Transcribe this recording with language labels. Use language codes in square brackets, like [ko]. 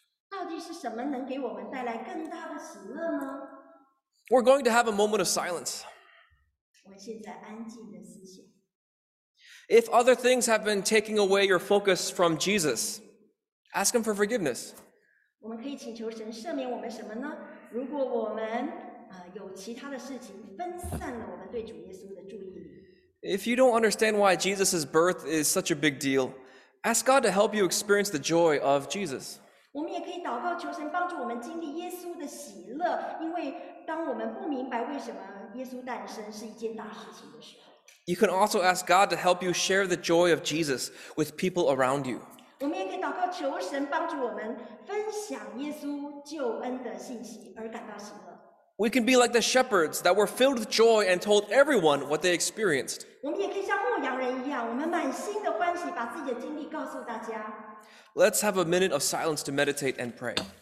[zh] 到底是什么能给我们带来更大的喜乐呢？ [en] We're going to have a moment of silence. [zh] 我现在安静的思想。 [en] If other things have been taking away your focus from Jesus, ask him for forgiveness. [zh] 我们可以请求神赦免我们什么呢？如果我们有其他的事情分散了我们对主耶稣的注意力。 [en] If you don't understand why Jesus' birth is such a big deal, ask God to help you experience the joy of Jesus. [zh] 我们也可以祷告求神帮助我们经历耶稣的喜乐，因为当我们不明白为什么耶稣诞生是一件大事情的时候。 [en] You can also ask God to help you share the joy of Jesus with people around you. [zh] 我们也可以祷告求神帮助我们分享耶稣救恩的信息而感到喜乐。 [en] We can be like the shepherds that were filled with joy and told everyone what they experienced. [zh] 我们也可以像牧羊人一样，我们满心的欢喜，把自己的经历告诉大家。 [en] Let's have a minute of silence to meditate and pray.